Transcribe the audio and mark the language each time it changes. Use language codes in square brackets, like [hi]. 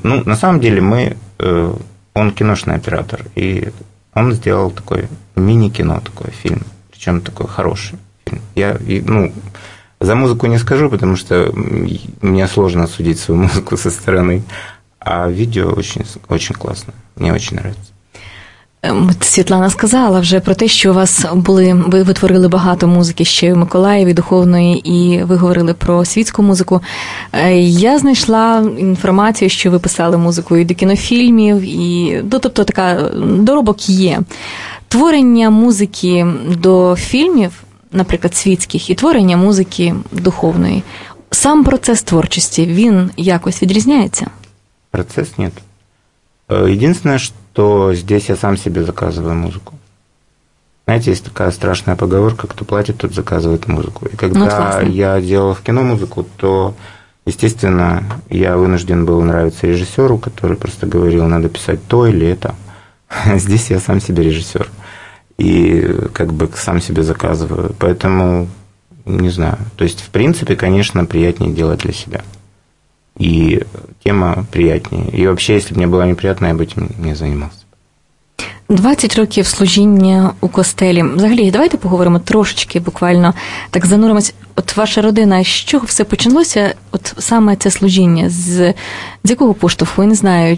[ru] Ну, на самом деле, он киношный оператор, и он сделал такое мини-кино, такой фильм, причем такой хороший фильм. Я, ну, за музыку не скажу, потому что мне сложно судить свою музыку со стороны, а видео очень, очень классное, мне очень нравится. [uk] Світлана сказала вже про те, що у вас були, ви витворили багато музики ще в Миколаєві, духовної, і ви говорили про світську музику. Я знайшла інформацію, що ви писали музику і до кінофільмів, і, ну, тобто така доробок є. Творення музики до фільмів, наприклад, світських, і творення музики духовної. Сам процес творчості, він якось відрізняється? Процес – ні. [ru] Единственное, что здесь я сам себе заказываю музыку. Знаете, есть такая страшная поговорка, кто платит, тот заказывает музыку. И когда я делал в кино музыку, то, естественно, я вынужден был нравиться режиссеру, который просто говорил, надо писать то или это. Здесь я сам себе режиссер. И как бы сам себе заказываю. Поэтому, не знаю. То есть, в принципе, конечно, приятнее делать для себя. И тема приятнее. И вообще, если б мне было неприятно, я бы этим не занимался. [uk] 20 років служіння у костелі. Взагалі, давайте поговоримо трошечки, буквально так зануримось. От ваша родина, з чого все починалося, от саме це служіння? З якого поштовху, я не знаю.